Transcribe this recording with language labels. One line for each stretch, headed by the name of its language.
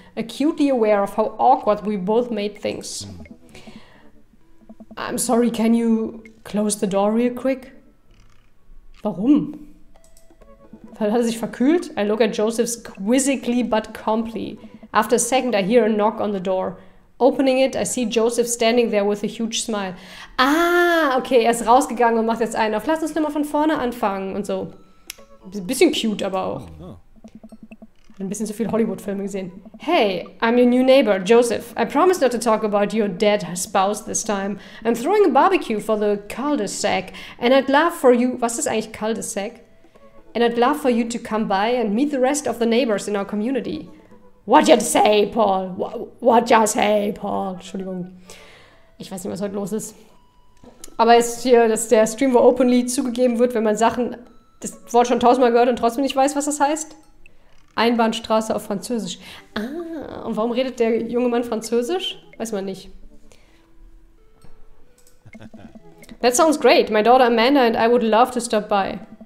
English: Acutely aware of how awkward we both made things. I'm sorry, can you close the door real quick?
German: Warum? Weil hat er sich verkühlt?
English: I look at Joseph's quizzically but calmly. After a second, I hear a knock on the door. Opening it, I see Joseph standing there with a huge smile.
German: Ah, okay, er ist rausgegangen und macht jetzt einen auf. Lass uns nochmal von vorne anfangen und so. Bisschen cute, aber auch. Ein bisschen zu viel Hollywood-Filme gesehen.
English: Hey, I'm your new neighbor, Joseph. I promise not to talk about your dead spouse this time. I'm throwing a barbecue for the cul-de-sac. And I'd love for you...
German: Was ist eigentlich cul-de-sac?
English: And I'd love for you to come by and meet the rest of the neighbors in our community. What you say, Paul? What you say, Paul?
German: Entschuldigung. Ich weiß nicht, was heute los ist. Aber es ist hier, dass der Stream, wo openly zugegeben wird, wenn man Sachen... Das Wort schon tausendmal gehört und trotzdem nicht weiß, was das heißt. Einbahnstraße auf Französisch. Ah, und warum redet der junge Mann Französisch? Weiß man nicht.
English: That sounds great. My daughter Amanda and I would love to stop by.